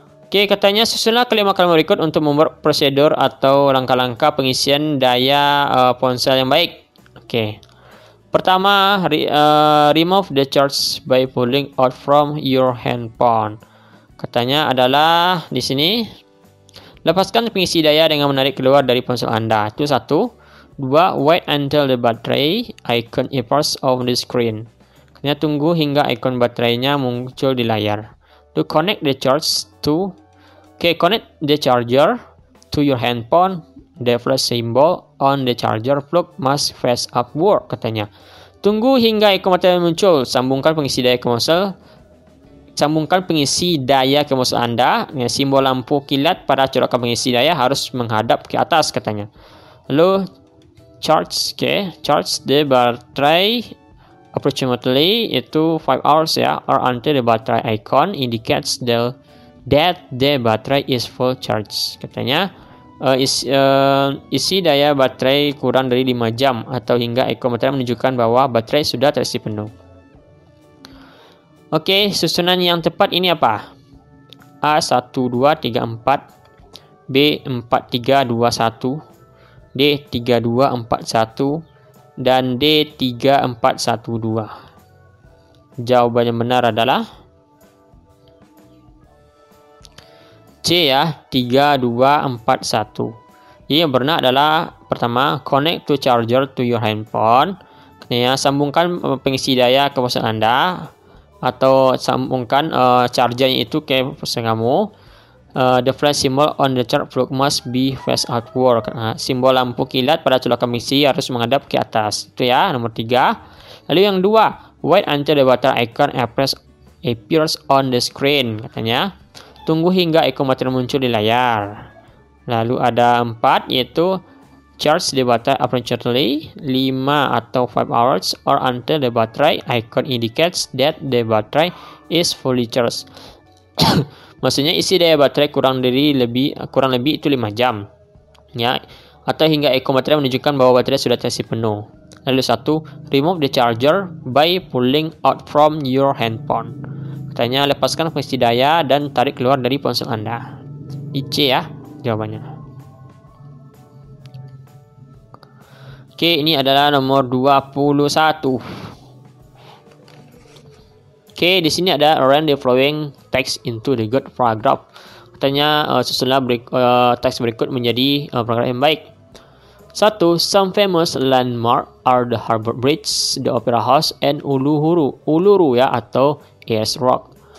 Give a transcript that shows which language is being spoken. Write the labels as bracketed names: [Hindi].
[Indonesian] Oke, okay, katanya susunlah kalimat-kalimat berikut untuk membuat prosedur atau langkah-langkah pengisian daya ponsel yang baik. Oke. Okay. [English] Pertama, remove the charge by pulling out from your handphone. [Indonesian] Katanya adalah di sini. Lepaskan pengisi daya dengan menarik keluar dari ponsel Anda. Itu satu. 2. [English] Wait until the battery icon appears on the screen. [Indonesian] Kena tunggu hingga icon baterainya muncul di layar. [English] To connect the charge to, okay, connect the charger to your handphone. The flash symbol on the charger plug must face upward, katanya. [Indonesian] Tunggu hingga icon baterai muncul. Sambungkan pengisi daya ke ponsel Anda. Simbol lampu kilat pada colokan pengisi daya harus menghadap ke atas, katanya. Lalu charge, okay. [English] Charge the battery approximately itu 5 hours ya, or until the battery icon indicates that the battery is full charge. [Indonesian] Katanya isi daya baterai kurang dari 5 jam atau hingga icon baterai menunjukkan bahwa baterai sudah terisi penuh. Oke, okay, susunan yang tepat ini apa? A 1234, B 4321, D 3241, dan D3412. Jawaban yang benar adalah C ya, 3241. Jadi yang benar adalah pertama, [English] connect to charger to your handphone. [Indonesian] Ya, sambungkan pengisi daya ke ponsel Anda atau sambungkan charger itu ke ponsel kamu. [English] The flash symbol on the charge plug must be face outward. [Indonesian] Simbol lampu kilat pada colokan pengisi harus menghadap ke atas. Itu ya, nomor 3. Lalu yang 2, [English] wait until the water icon appears on the screen, katanya. [Indonesian] Tunggu hingga ikon water muncul di layar. Lalu ada 4, yaitu [English] charge the battery appropriately 5 atau 5 hours or until the battery icon indicates that the battery is fully charged. [Indonesian] Maksudnya isi daya baterai kurang lebih itu 5 jam. Ya, atau hingga ikon baterai menunjukkan bahwa baterai sudah terisi penuh. Lalu 1, [English] remove the charger by pulling out from your handphone. [Indonesian] Katanya lepaskan pengisi daya dan tarik keluar dari ponsel Anda. IC ya jawabannya. Oke, ini adalah nomor 21. Oke, di sini ada [English] arrange the following text into the good paragraph. [Indonesian] Katanya susunlah teks berikut menjadi paragraph yang baik. 1. [English] Some famous landmark are the Harbour Bridge, the Opera House, and Uluru [Indonesian] ya, atau [English] AS Rock.